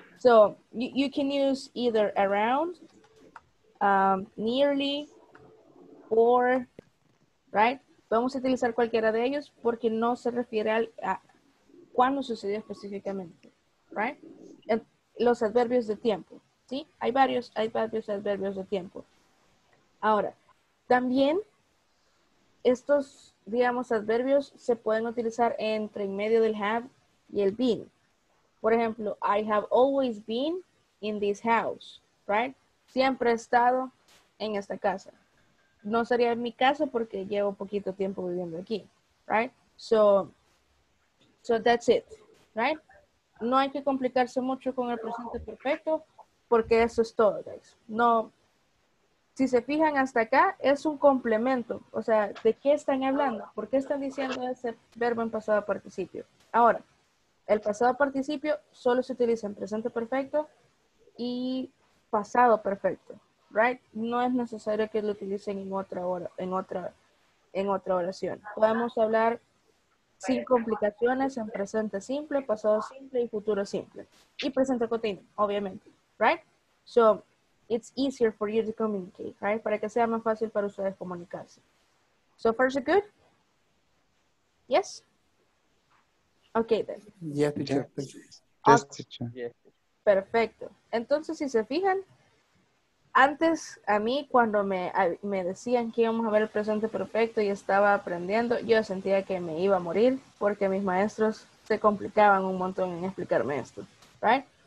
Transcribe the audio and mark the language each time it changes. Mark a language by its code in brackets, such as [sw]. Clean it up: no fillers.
[en] So, you can use either around, nearly, or, right? [es] Vamos a utilizar cualquiera de ellos porque no se refiere a cuándo sucedió específicamente. Right? Los adverbios de tiempo. ¿Sí? Hay varios adverbios de tiempo. Ahora, también. Estos, digamos, adverbios se pueden utilizar entre en medio del have y el been. Por ejemplo, [en] I have always been in this house, right? [es] Siempre he estado en esta casa. No sería mi casa porque llevo poquito tiempo viviendo aquí, right? [en] So that's it, right? [es] No hay que complicarse mucho con el presente perfecto porque eso es todo, guys. No, si se fijan hasta acá, es un complemento. O sea, ¿de qué están hablando? ¿Por qué están diciendo ese verbo en pasado participio? Ahora, el pasado participio solo se utiliza en presente perfecto y pasado perfecto, right? No es necesario que lo utilicen en otra oración. Podemos hablar sin complicaciones en presente simple, pasado simple y futuro simple. Y presente continuo, obviamente, right? [en] So, it's easier for you to communicate, right? [es] Para que sea más fácil para ustedes comunicarse. [en] So far, so good? Yes? Okay, then. Yes, teacher. Yes, teacher. [es] Perfecto. Entonces, si se fijan, antes a mí cuando me decían que íbamos a ver el presente perfecto y estaba aprendiendo, yo sentía que me iba a morir porque mis maestros se complicaban un montón en explicarme esto, right?